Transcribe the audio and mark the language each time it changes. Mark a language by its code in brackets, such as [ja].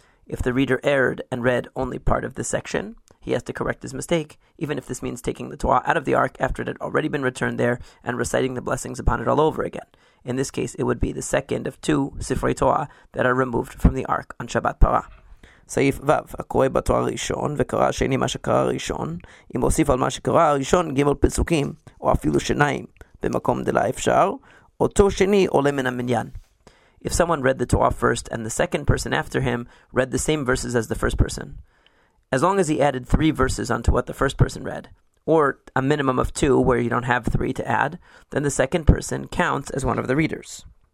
[en] If the reader erred and read only part of this section, he has to correct his mistake, even if this means taking the Torah out of the ark after it had already been returned there and reciting the blessings upon it all over again. In this case, it would be the second of two Sifrei Torah that are removed from the ark on Shabbat Parah. [he] סעיף ו, הקורא בתורה הראשון, וקרא השני מה שקרא הראשון, אם הוסיף על מה שקרא הראשון ג' פסוקים, או אפילו שניים, במקום דלא אפשר, אותו שני עולה מן המניין. [en] If someone read the Torah first and the second person after him read the same verses as the first person, as long as he added three verses onto what the first person read, or a minimum of two where you don't have three to add, then the second person counts as one of the readers.